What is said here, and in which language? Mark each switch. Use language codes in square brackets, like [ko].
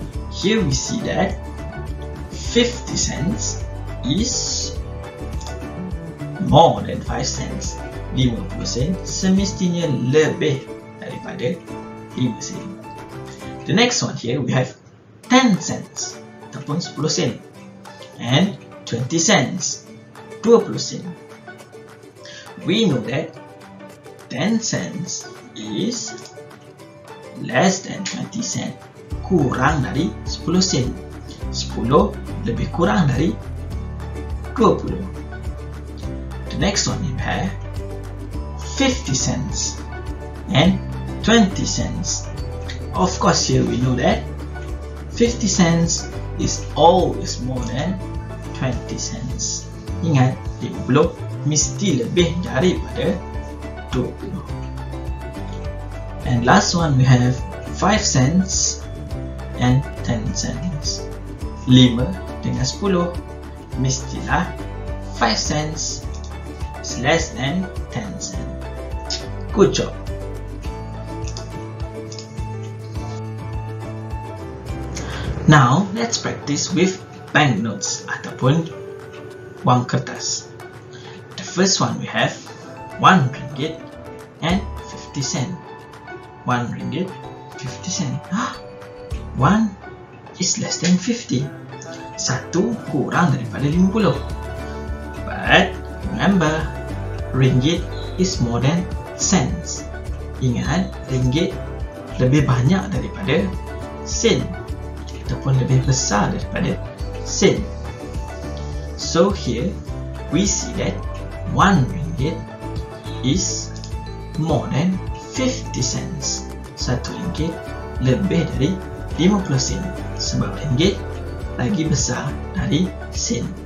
[en] Here we see that 50 cents is more than 5 cents. [ms] 50 sen semestinya lebih daripada 5 sen. [en] The next one here we have 10 cents [ms] ataupun 10 sen [en] and 20 cents [ms] 20 sen. [en] we know that 10 cents is less than 20 sen, [ms] kurang dari 10 sen. 10 lebih kurang dari 20. [en] The next one in pair, 50 cents and 20 cents. Of course, here we know that 50 cents is always more than 20 cents. [ms] Ingat, 50 mesti lebih daripada 20. [en] And last one, we have 5 cents and 10 cents. [ms] 5 dengan 10 mestilah [en] 5 cents is less than 10 cents. Good job. Now, let's practice with banknotes [ms] ataupun wang kertas. [en] The first one we have 1 ringgit and 50 cent. 1 ringgit, 50 sen. 1 is less than 50. [ms] 1 kurang daripada 50. [en] But remember, ringgit is more than cents. [ms] Ingat, ringgit lebih banyak daripada sen ataupun lebih besar daripada sen. [en] So here, we see that 1 ringgit is more than 50 cents. [ms] 1 ringgit lebih dari 50 sen sebab ringgit lagi besar dari sen.